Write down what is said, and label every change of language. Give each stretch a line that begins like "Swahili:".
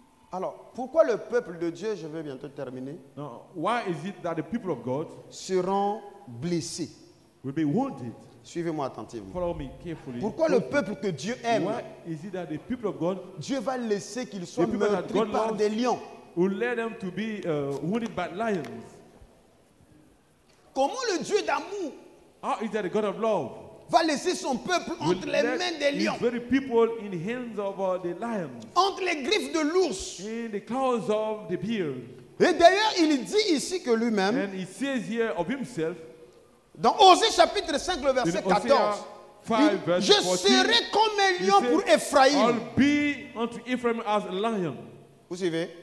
French: Alors, pourquoi le peuple de Dieu, je vais bientôt terminer,
English: why is it that the people of God
French: seront blessés?
English: Will be wounded.
French: Suivez-moi attentivement.
English: Follow me carefully.
French: Pourquoi le peuple que Dieu aime,
English: why is it that the people of God,
French: Dieu va laisser qu'il soit meurtri par des lions?
English: Led them to be wounded by lions.
French: Comment le Dieu d'amour,
English: how is that the God of love,
French: va laisser son peuple entre les mains des lions,
English: his very people in hands of the lions,
French: entre les griffes de l'ours,
English: in the claws of the bear?
French: Et d'ailleurs, il dit ici que lui-même,
English: and he says here of himself,
French: dans Osée chapitre 5, le verset 14, je serai comme un lion pour Ephraim.
English: I'll be unto Ephraim as a lion.
French: Vous suivez?